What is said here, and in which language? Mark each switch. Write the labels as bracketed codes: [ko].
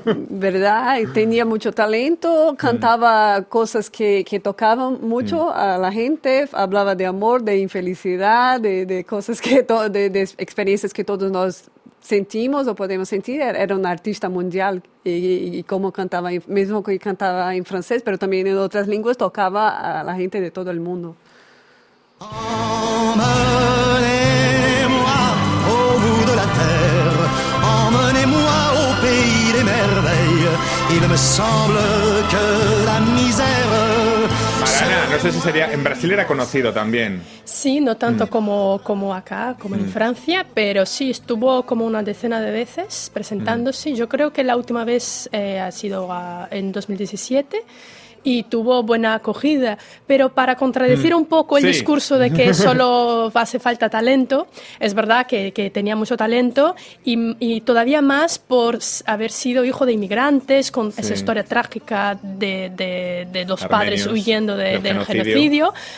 [es] Verdad, tenía mucho talento, cantaba cosas que tocaban mucho a la gente, hablaba de amor, de infelicidad, de cosas de experiencias que todos nos sentimos o podemos sentir. Era un artista mundial y como cantaba, mismo que cantaba en francés, pero también en otras lenguas, tocaba a la gente de todo el mundo. [fr] Emmenez-moi au bout de la terre, emmenez-moi au pays des merveilles. Il me semble que la misère. [es] Marana, no sé si sería. En Brasil era conocido también. Sí, no tanto como acá, como en Francia, pero sí, estuvo como una decena de veces presentándose. Yo creo que la última vez ha sido en 2017. Y tuvo buena acogida, pero para contradecir un poco el discurso de que solo hace falta talento, es verdad que tenía mucho talento y todavía más por haber sido hijo de inmigrantes, con esa historia trágica de los padres huyendo del genocidio.